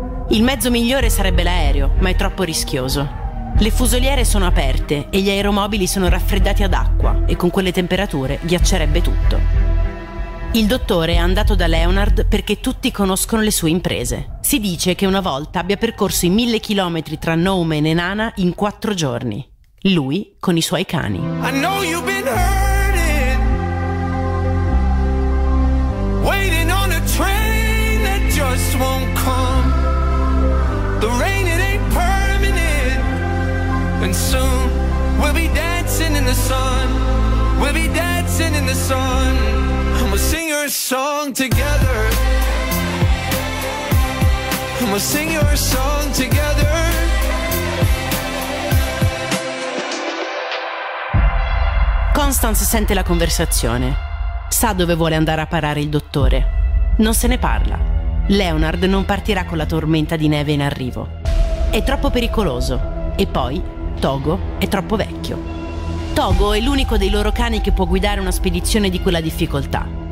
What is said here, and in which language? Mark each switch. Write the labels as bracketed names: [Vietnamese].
[Italian] Il mezzo migliore sarebbe l'aereo, ma è troppo rischioso. Le fusoliere sono aperte e gli aeromobili sono raffreddati ad acqua e con quelle temperature ghiaccerebbe tutto. Il dottore è andato da Leonard perché tutti conoscono le sue imprese. Si dice che una volta abbia percorso i 1000 chilometri tra Nome e Nenana in 4 giorni. Lui con i suoi cani. [English] I know you've been hurting, waiting on a train that just won't come. The rain, it ain't permanent, and soon we'll be dancing in the sun. We'll be dancing in the sun, and we'll sing your song together. And we'll sing your song together. [Italian] Constance sente la conversazione. Sa dove vuole andare a parare il dottore. Non se ne parla. Leonard non partirà con la tormenta di neve in arrivo. È troppo pericoloso. E poi, Togo è troppo vecchio. Togo è l'unico dei loro cani che può guidare una spedizione di quella difficoltà.